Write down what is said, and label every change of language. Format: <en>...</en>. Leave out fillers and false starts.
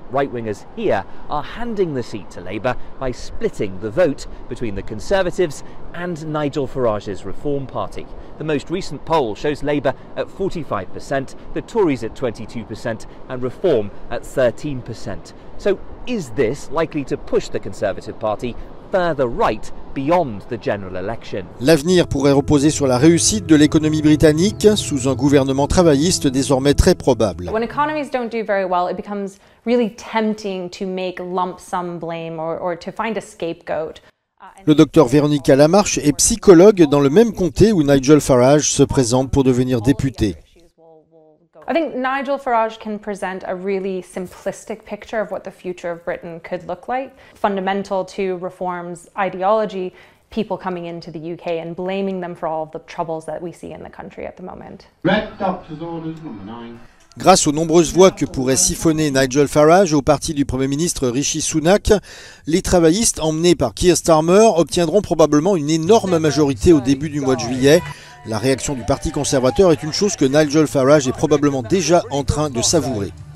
<en>Right-wingers here are handing the seat to Labour by splitting the vote between the Conservatives and Nigel Farage's Reform Party. The most recent poll shows Labour at 45%, the Tories at 22% and Reform at 13%. So is this likely to push the Conservative Party further right beyond the general election?</en> <fr>L'avenir pourrait reposer sur la réussite de l'économie britannique sous un gouvernement travailliste désormais très probable.</fr> <en>When economies don't do very well, it becomes really tempting to make lump sum blame or to find a scapegoat.</en> <fr>Le docteur Véronique Lamarche est psychologue dans le même comté où Nigel Farage se présente pour devenir député.</fr> <en>I think Nigel Farage can present a really simplistic picture of what the future of Britain could look like. Fundamental to reforms ideology, people coming into the UK and blaming them for all of the troubles that we see in the country at the moment. Red doctor's orders, number nine.</en> <fr>Grâce aux nombreuses voix que pourrait siphonner Nigel Farage au parti du Premier ministre Rishi Sunak, les travaillistes emmenés par Keir Starmer obtiendront probablement une énorme majorité au début du mois de juillet. La réaction du Parti conservateur est une chose que Nigel Farage est probablement déjà en train de savourer.</fr>